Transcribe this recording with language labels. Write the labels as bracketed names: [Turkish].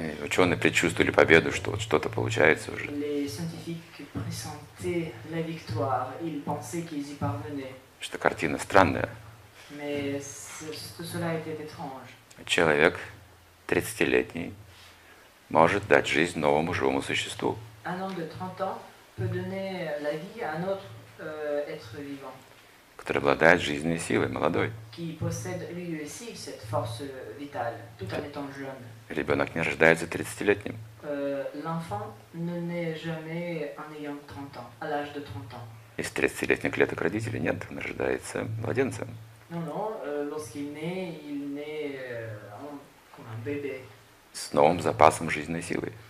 [Russian] Ученые предчувствовали победу, что вот что-то получается уже. [French] Les scientifiques pressentaient la victoire. Ils pensaient qu'ils y parvenaient. [Russian] Что картина странная. [French] Mais tout cela était étrange. [Russian] Человек 30-летний может дать жизнь новому живому существу. [French] Un homme de 30 ans peut donner la vie à un autre être vivant. [Russian] Который обладает жизненной силой, молодой. [French] Qui possède lui aussi cette force vitale, tout en étant jeune. [Russian] Ребенок не рождается 30-летним. [French] L'enfant ne naît jamais en ayant 30 ans, à l'âge de 30 ans. [Russian] Из 30-летних клеток родителей нет, он рождается младенцем. [French] Non, lorsqu'il naît, il naît comme un bébé. [Russian] С новым запасом жизненной силы.